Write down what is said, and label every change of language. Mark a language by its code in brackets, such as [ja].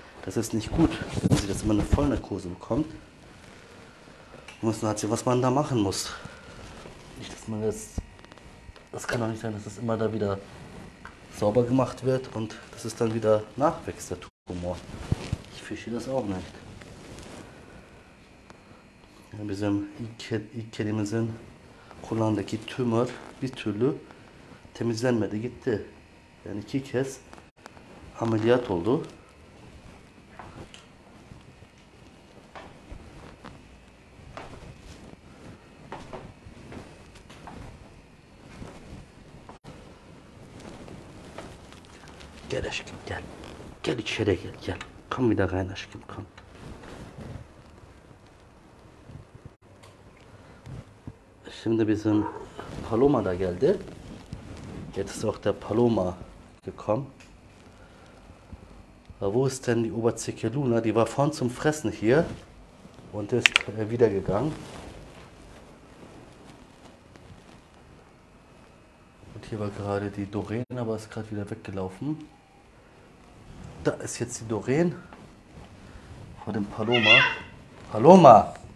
[de] Das ist nicht gut, wenn sie das immer eine Vollnarkose bekommt. Und dann hat sie, was man da machen muss. Nicht, dass man das. Das kann auch nicht sein, dass das immer da wieder sauber gemacht wird und das ist dann wieder nachwächst, der Tumor. Ich verstehe das auch nicht. [tr] Bizim ilk kedimizin kulağındaki tümör bir türlü temizlenmedi gitti. Yani iki kez ameliyat oldu. Gel aşkım gel. Gel içeri gel gel. Kom bir dakika aşkım kom. Şimdi bizim Paloma da geldi. [de] Jetzt ist auch der Paloma gekommen. Aber wo ist denn die Oberzicke Luna? Die war vorhin zum Fressen hier und ist wieder gegangen. Und hier war gerade die Doreen, aber ist gerade wieder weggelaufen. Da ist jetzt die Doreen vor dem Paloma. Paloma!